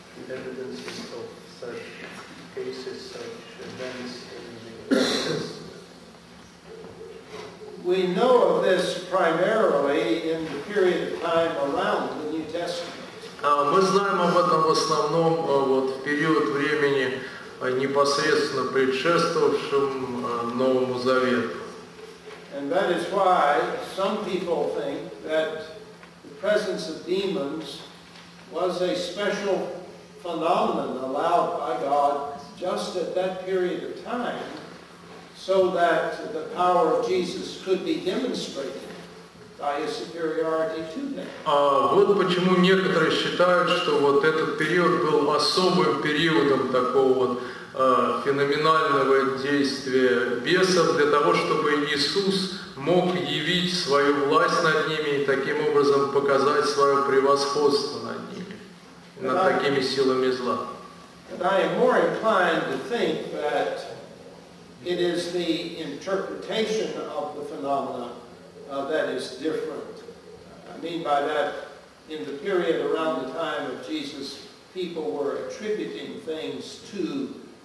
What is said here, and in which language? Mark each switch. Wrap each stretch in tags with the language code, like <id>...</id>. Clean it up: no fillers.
<en>Evidences of such cases, such events in the We know of this primarily in the period of time around the New Testament.</en> <ru>Мы знаем об этом в основном вот в период времени, непосредственно предшествовавшим Новому Завету.</ru> <en>And that is why some people think that the presence of demons was a special phenomenon allowed by God just at that period of time so that the power of Jesus could be demonstrated by his superiority to them.</en> <ru>Вот почему некоторые считают, что вот этот период был особым периодом такого вот феноменального действия бесов для того, чтобы Иисус мог явить свою власть над ними и таким образом показать свое превосходство над ними, над такими силами зла.</ru> <en>I am more inclined to think that it is the interpretation of the phenomena that is different. I mean by that, in the period around the time of Jesus, people were attributing things to</en>